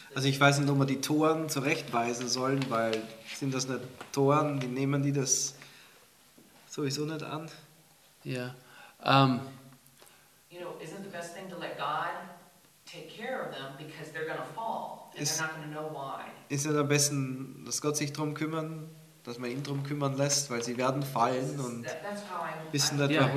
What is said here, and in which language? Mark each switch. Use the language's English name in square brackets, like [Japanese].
[German] Also ich weiß nicht, ob man die Toren zurechtweisen sollen, weil sind das nicht Toren, die nehmen die das sowieso nicht an? [English] Yeah. You know, isn't the best thing to let God take care of them because they're going to fall and they're not going to know why? [German] Ist es am besten, dass Gott sich drum kümmern, dass man ihn drum kümmern lässt, weil sie werden fallen und wissen nicht warum?